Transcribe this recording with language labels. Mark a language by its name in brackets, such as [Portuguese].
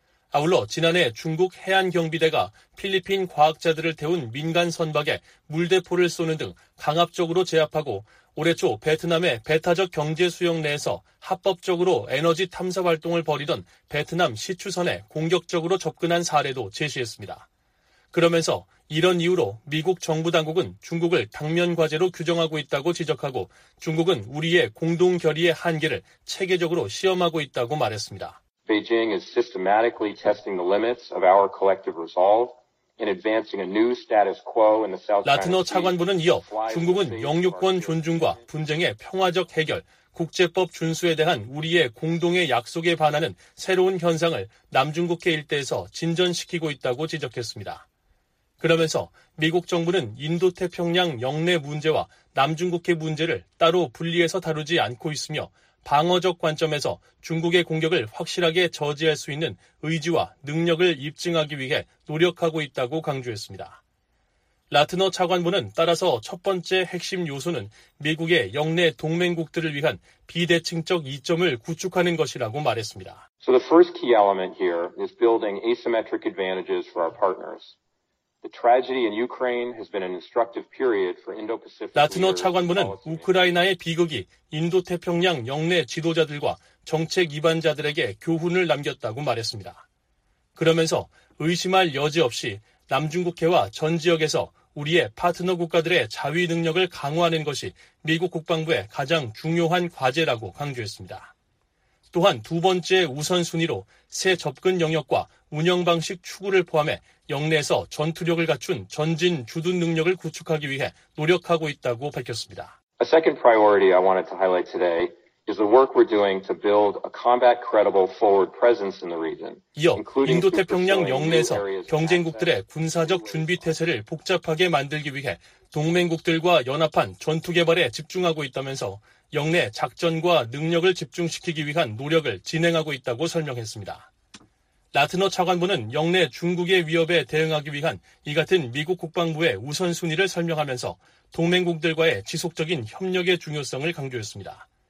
[Korean] 아울러 지난해 중국 해안경비대가 필리핀 과학자들을 태운 민간 선박에 물대포를 쏘는 등 강압적으로 제압하고 올해 초 베트남의 배타적 경제 수역 내에서 합법적으로 에너지 탐사 활동을 벌이던 베트남 시추선에 공격적으로 접근한 사례도 제시했습니다. 그러면서 이런 이유로 미국 정부 당국은 중국을 당면 과제로 규정하고 있다고 지적하고 중국은 우리의 공동 결의의 한계를 체계적으로 시험하고 있다고 말했습니다. [English] Beijing is systematically testing the limits of our collective resolve in advancing a new status quo in the South China. [Korean] 라트너 차관부는 이어 중국은 영유권 존중과 분쟁의 평화적 해결, 국제법 준수에 대한 우리의 공동의 약속에 반하는 새로운 현상을 남중국해 일대에서 진전시키고 있다고 지적했습니다. 그러면서 미국 정부는 인도태평양 영내 문제와 남중국해 문제를 따로 분리해서 다루지 않고 있으며 방어적 관점에서 중국의 공격을 확실하게 저지할 수 있는 의지와 능력을 입증하기 위해 노력하고 있다고 강조했습니다. 라트너 차관보는 따라서 첫 번째 핵심 요소는 미국의 영내 동맹국들을 위한 비대칭적 이점을 구축하는 것이라고 말했습니다. [English] So the first key element here is building asymmetric advantages for our partners. The tragedy in Ukraine has been an instructive period for Indo-Pacific. [Korean] 라트너 차관부는 우크라이나의 비극이 인도태평양 영내 지도자들과 정책 이반자들에게 교훈을 남겼다고 말했습니다. 그러면서 의심할 여지 없이 남중국해와 전 지역에서 우리의 파트너 국가들의 자위 능력을 강화하는 것이 미국 국방부의 가장 중요한 과제라고 강조했습니다. 또한 두 번째 우선순위로 새 접근 영역과 운영 방식 추구를 포함해 영내에서 전투력을 갖춘 전진 주둔 능력을 구축하기 위해 노력하고 있다고 밝혔습니다. [English] A second priority I wanted to highlight today is the work we're doing to build a combat credible forward presence in the region. [Korean] 이어 인도태평양 영내에서 경쟁국들의 군사적 준비 태세를 복잡하게 만들기 위해 동맹국들과 연합한 전투 개발에 집중하고 있다면서 영내 작전과 능력을 집중시키기 위한 노력을 진행하고 있다고 설명했습니다. 라트너 차관부는 영내 중국의 위협에 대응하기 위한 이 같은 미국 국방부의 우선순위를 설명하면서 동맹국들과의 지속적인 협력의 중요성을 강조했습니다.